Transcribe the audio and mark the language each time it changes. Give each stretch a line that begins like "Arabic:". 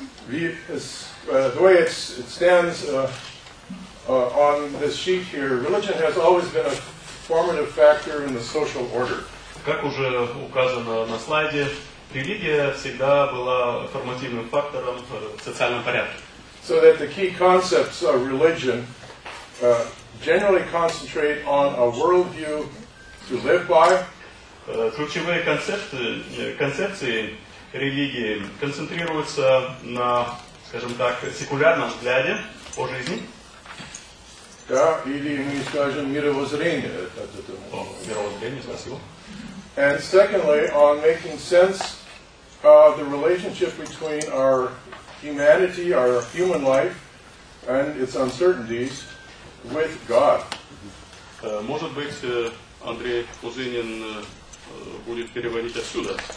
English: The way it stands on the sheet here, religion has always been a formative factor in the social order.
Russian: Как уже указано на слайде, религия всегда была формативным фактором в социальном порядке.
English: So that the key concepts of religion generally concentrate on a worldview to live by.
Russian: Ключевые концепции религии концентрируются на, скажем так, секулярном взгляде по жизни. Да, или мы скажем мировоззрение. Мировоззрение, спасибо.
English: And secondly, on making sense of the relationship between our humanity, our human life, and its uncertainties with God.
Russian: Может быть, Андрей Кузынин будет переводить отсюда.